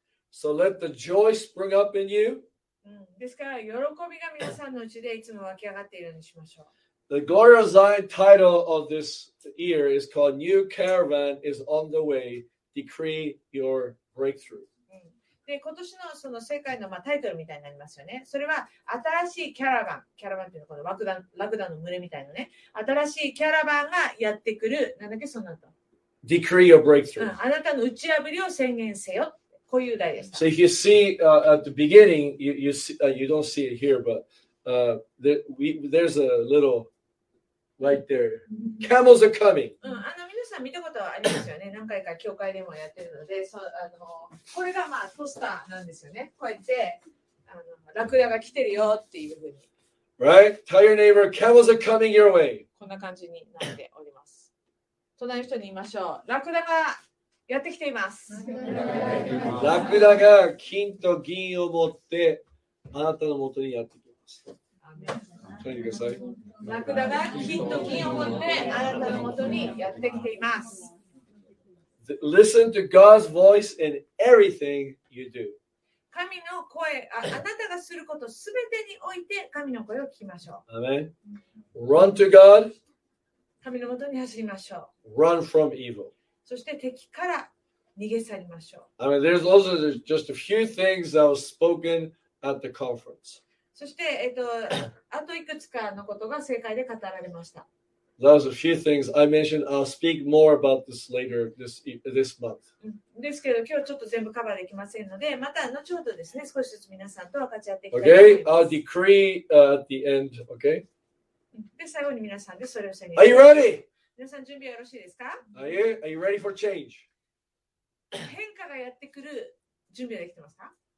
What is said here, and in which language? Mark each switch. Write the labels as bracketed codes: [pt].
[en] So let the joy spring up in you. The Glory of Zion title of this year is called New Caravan is on the Way. Decree your breakthrough. [ja] で今年のその世界のまあタイトルみたいになりますよね。それは新しいキャラバン、キャラバンっていうのはこのラクダの群れみたいなね。新しいキャラバンがやってくる。なんだっけそんなと。 [en] Decree your breakthrough、 [ja] うん。あなたの打ち破りを宣言せよ。こういう題でした。 [en] So if you see at the beginning, you don't see it here, but there's a little right there. Camels are coming. [ja] うん、あの皆さん見たことありますよね。何回か教会でもやってるので、これがまあポスターなんですよね。こうやってラクダが来てるよっていうふうに。 [en] Right? Tell your neighbor, camels are coming your way. [ja] こんな感じになっております。隣の人に言いましょう。ラクダがやってきています。ラクダが金と銀を持ってあなたのもとにやってきます。アーメン。ラクダが金と金を持ってあなたのもとにやってきています。 [en] Listen to God's voice in everything you do. [ja] 神の声、あなたがすることすべてにおいて神の声を聞きましょう。 [en] Amen. Run to God. [ja] 神のもとに走りましょう。 [en] Run from evil. [ja] そして敵から逃げ去りましょう。 [en] Amen. There's also just a few things that was spoken at the conference. [ja] そして、あといくつかのことが正解で語られました。 [en] Those are a few things I mentioned. I'll speak more about this later this month. [ja] ですけど、今日ちょっと全部カバーできませんので、また後ほどですね、少しずつ皆さんと分かち合っていきたいと思います。 [en] Okay, I'll decree at the end, okay? [ja] で、最後に皆さんでそれを宣言します。 [en] Are you ready? [ja] 皆さん準備はよろしいですか? [en] Are you ready for change? [ja] 変化がやってくる準備はできてますか?